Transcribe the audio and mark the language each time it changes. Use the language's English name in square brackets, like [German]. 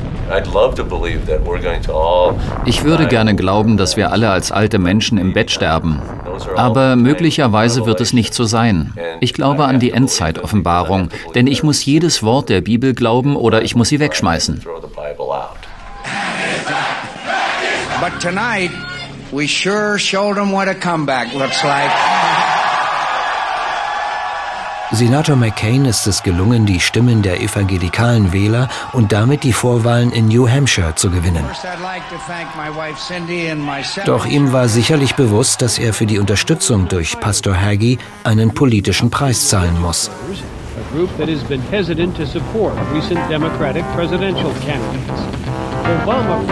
[German] Ich würde gerne glauben, dass wir alle als alte Menschen im Bett sterben. Aber möglicherweise wird es nicht so sein. Ich glaube an die Endzeit-Offenbarung, denn ich muss jedes Wort der Bibel glauben oder ich muss sie wegschmeißen. [English] But tonight we sure showed them what a comeback looks like. [German] Senator McCain ist es gelungen, die Stimmen der evangelikalen Wähler und damit die Vorwahlen in New Hampshire zu gewinnen. Doch ihm war sicherlich bewusst, dass er für die Unterstützung durch Pastor Hagee einen politischen Preis zahlen muss. [English] A group that has been hesitant to support recent Democratic presidential candidates.